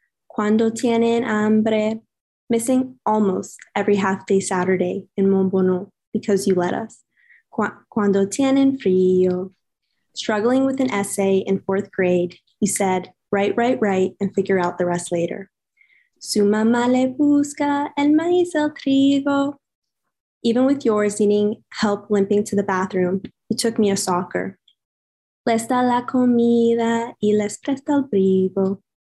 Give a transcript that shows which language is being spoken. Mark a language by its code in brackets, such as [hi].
[es] Cuando tienen hambre. [en] Missing almost every half day Saturday in Montbonon because you let us. [es] Cuando tienen frío. [en] Struggling with an essay in fourth grade, you said, write, write, write, and figure out the rest later. [es] Su mamá le busca el maíz el trigo. [en] Even with yours needing help limping to the bathroom, you took me to soccer. [es] Les da la comida y les presta el brigo.